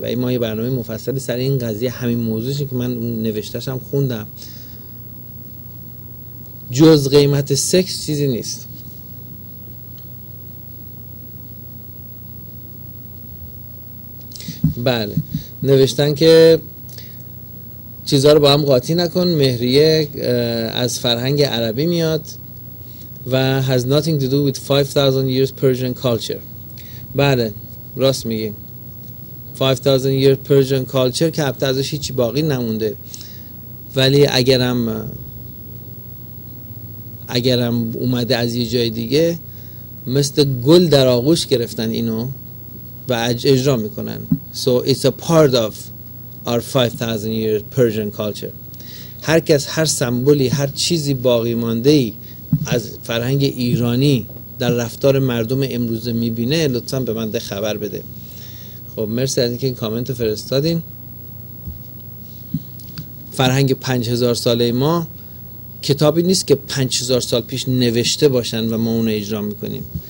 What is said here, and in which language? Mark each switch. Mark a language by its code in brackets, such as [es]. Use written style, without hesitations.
[fa] و این ما یه برنامه مفصل سر این قضیه همین موضوعش که من نوشتش هم خوندم، جز قیمت سکس چیزی نیست. بله، نوشتن که چیزها رو با هم قاطی نکن. مهریه از فرهنگ عربی میاد و [en] has nothing to do with 5000 years Persian culture. [fa] بله، راست میگی، [en] 5000 year Persian culture [fa] که حتی ازش هیچی باقی نمونده. ولی اگرم اومده از یه جای دیگه، مثل گل در آغوش گرفتن اینو و اجرا میکنن. [en] So it's a part of our 5000 year Persian culture. [fa] هر کس، هر سمبولی، هر چیزی باقی مانده ای از فرهنگ ایرانی در رفتار مردم امروز میبینه، لطفا به من ده خبر بده. خب مرسی از اینکه این کامنت رو فرستادین. فرهنگ 5000 ساله ما کتابی نیست که 5000 سال پیش نوشته باشن و ما اون رو اجرا میکنیم.